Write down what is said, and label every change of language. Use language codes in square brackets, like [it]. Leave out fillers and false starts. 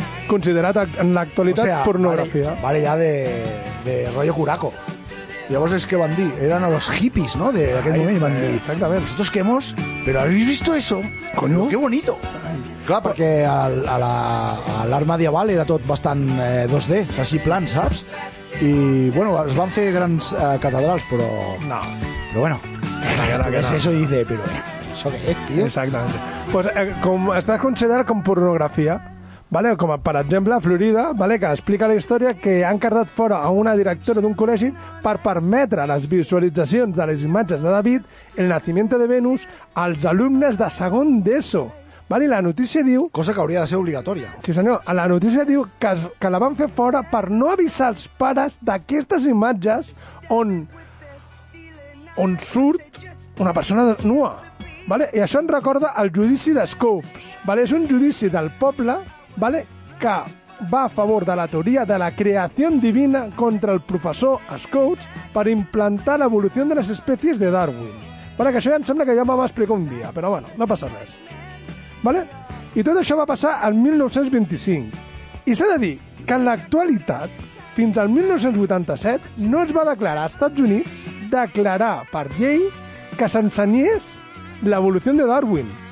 [ca] Considerat en l'actualitat, [es] o sea, [ca] pornografia. [es] Vale, ya de rollo curaco. [ca] Llavors és que van dir, eren els hippies, no?, d'aquest moment, i van dir, exactament, [es] nosotros queremos, pero ¿habéis visto eso? Coño, qué bonito. [ca] Clar, perquè l'art medieval era tot bastant 2D, així plan, saps? I, bueno, es van fer grans catedrals, però... No. Però bueno, és això, i [es] dice, pero ¿eso qué es, tío? [ca] Exactament. Pues com estàs considerat com pornografia, ¿vale? Com, per exemple, a Florida, ¿vale?, que explica la història que han cardat fora a una directora d'un col·legi per permetre les visualitzacions de les imatges de David, el Nacimiento de Venus, als alumnes de segon d'ESO. ¿Vale? I la notícia diu... Cosa que hauria de ser obligatòria. Sí, senyor. La notícia diu que la van fer fora per no avisar els pares d'aquestes imatges on surt una persona nua. ¿Vale? I això ens recorda el judici d'Scopes. ¿Vale? És un judici del poble... ¿Vale? [es] Que va a favor de la teoría de la creación divina contra el profesor Scouts para implantar la evolución de las especies de Darwin. [ca] ¿Vale? Que això ja em sembla que ja m'ho explico un dia, però bueno, no passa res. ¿Vale? I tot això va passar al 1925. I s'ha de dir que en l'actualitat, fins al 1987, no es va declarar als Estats Units declarar per llei que s'ensenyés l'evolució de Darwin.